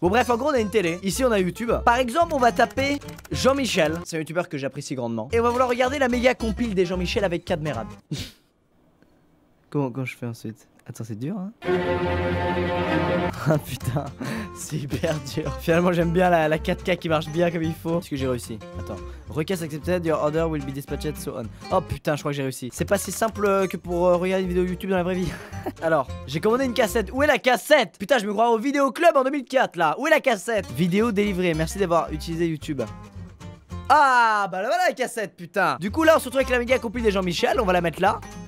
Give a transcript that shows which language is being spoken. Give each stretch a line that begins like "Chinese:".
French: Bon bref, en gros on a une télé, ici on a YouTube. Par exemple, on va taper Jean-Michel, c'est un YouTuber que j'apprécie grandement. Et on va vouloir regarder la méga compile des Jean-Michel avec Cadmerad. Comment je fais ensuite? Attends, c'est dur, hein. Ah putain, c'est hyper dur. Finalement, j'aime bien la 4K qui marche bien comme il faut. Est-ce que j'ai réussi? Attends.
English: Request accepted, your order will be dispatched, so on.
French: Oh putain, je crois que j'ai réussi. C'est pas si simple que pour regarder une vidéo YouTube dans la vraie vie. Alors, j'ai commandé une cassette. Où est la cassette? Putain, je me crois au Vidéo Club en 2004, là. Où est la cassette? Vidéo délivrée, merci d'avoir utilisé YouTube. Ah, bah là, voilà la cassette, putain. Du coup, là, on se retrouve avec la méga compil des Jean-Michel. On va la mettre là.